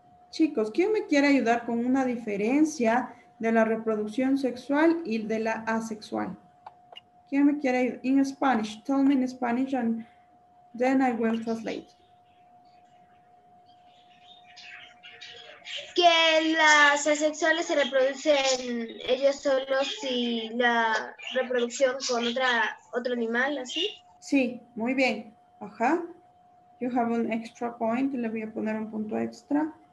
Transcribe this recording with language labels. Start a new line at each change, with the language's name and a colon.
Spanish: Chicos, ¿quién me quiere ayudar con una diferencia de la reproducción sexual y de la asexual? ¿Quién me quiere ayudar?
English: In Spanish, tell me in Spanish and then I will translate.
Spanish: Que las asexuales se reproducen ellos solos y la reproducción con otro animal, ¿así? Sí, muy bien. Ajá.
English: You have an extra point,
Spanish: le voy a poner un punto extra.